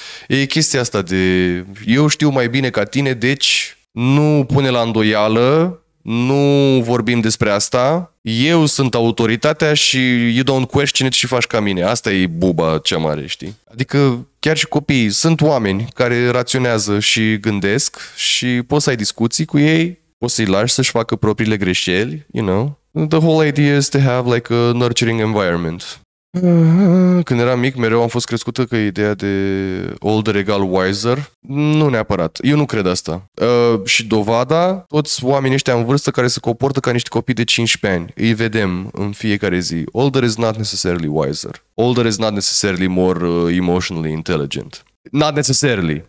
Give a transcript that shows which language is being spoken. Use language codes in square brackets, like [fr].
[ro] E chestia asta de eu știu mai bine ca tine, deci nu pune la îndoială, nu vorbim despre asta, eu sunt autoritatea și [en] you don't question it [ro] și faci ca mine. Asta e buba cea mare, știi? Adică chiar și copiii sunt oameni care raționează și gândesc și poți să ai discuții cu ei, poți să-i lași să-și facă propriile greșeli, you know? [en] The whole idea is to have like a nurturing environment. [ro] Când eram mic, mereu am fost crescută că ideea de older egal wiser, nu neapărat. Eu nu cred asta. Și dovada, toți oamenii ăștia în vârstă care se comportă ca niște copii de 15 ani, îi vedem în fiecare zi. [en] Older is not necessarily wiser. Older is not necessarily more emotionally intelligent. Not necessarily.